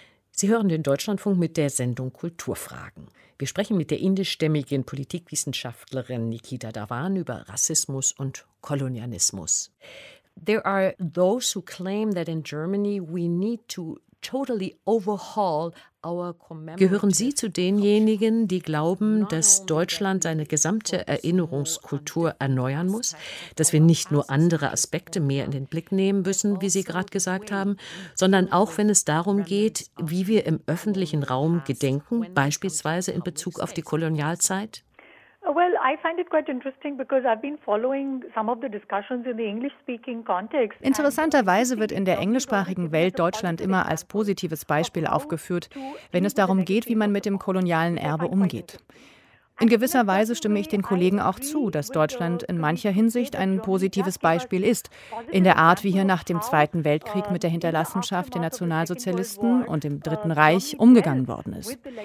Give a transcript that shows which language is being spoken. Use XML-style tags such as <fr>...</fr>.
<de>Sie hören den Deutschlandfunk mit der Sendung Kulturfragen. Wir sprechen mit der indischstämmigen Politikwissenschaftlerin Nikita Dhawan über Rassismus und Kolonialismus.</de> <en>There are those who claim that in Germany we need to totally overhaul our commemorative.</en> <de>Gehören Sie zu denjenigen, die glauben, dass Deutschland seine gesamte Erinnerungskultur erneuern muss, dass wir nicht nur andere Aspekte mehr in den Blick nehmen müssen, wie Sie gerade gesagt haben, sondern auch wenn es darum geht, wie wir im öffentlichen Raum gedenken, beispielsweise in Bezug auf die Kolonialzeit?</de> <en>Well, I find it quite interesting because I've been following some of the discussions in the English-speaking context.</en> <de>Interessanterweise wird in der englischsprachigen Welt Deutschland immer als positives Beispiel aufgeführt, wenn es darum geht, wie man mit dem kolonialen Erbe umgeht. In gewisser Weise stimme ich den Kollegen auch zu, dass Deutschland in mancher Hinsicht ein positives Beispiel ist, in der Art, wie hier nach dem Zweiten Weltkrieg mit der Hinterlassenschaft der Nationalsozialisten und dem Dritten Reich umgegangen worden ist.</de>